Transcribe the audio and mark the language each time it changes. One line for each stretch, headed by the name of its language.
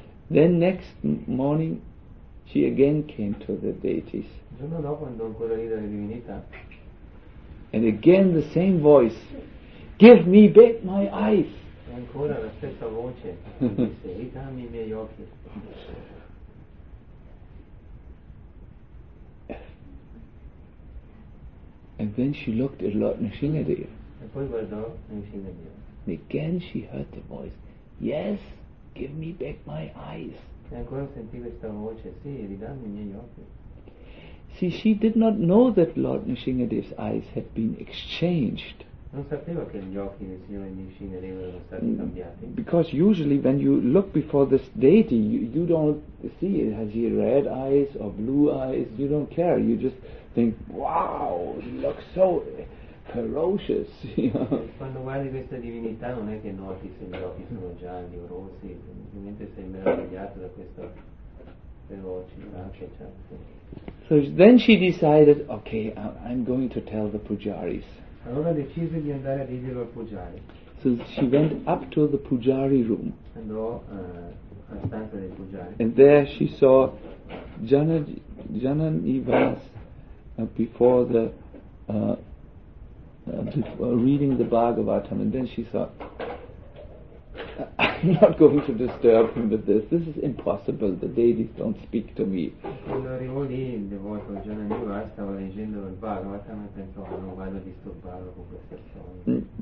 English: Then next morning, she again came to the deities.
Italian: Giorno dopo andò ancora lì dalle divinità.
English: And again the same voice, give me back my eyes.
Italian: Ancora la stessa voce, dammi i miei occhi.
English: And then she looked at Lord Nrsimhadeva.
Italian: E poi guardò Nrsimhadeva.
English: Again she heard the voice, yes, give me back my eyes.
Italian: E ancora sentì questa voce, sì, ridammi i miei occhi.
English: See, she did not know that Lord Nrsimhadeva's eyes had been exchanged.
Italian: Non sapeva che gli occhi del signore Nrsimhadeva erano stati cambiati.
English: Because usually when you look before this deity, you don't see, has he red eyes or blue eyes, you don't care, you just think, wow, he looks so ferocious.
Italian: Quando guardi questa divinità non è che noti se gli occhi sono gialli o rossi, semplicemente sei meravigliato da questa ferocia.
English: So then she decided, okay, I'm going to tell the pujaris.
Italian: Allora decise di andare a dirglielo al pujari.
English: So she went up to the pujari room.
Italian: Andò alla stanza del pujari.
English: And there she saw Jananivas before the before reading the Bhagavatam, and then she thought, I'm not going to disturb him with this. This is impossible. The deities don't speak to me.
Italian: Quando arrivò lì, il devoto Jananivas stava leggendo il Bhagavatam e pensò, non vado a disturbarlo con questa storia.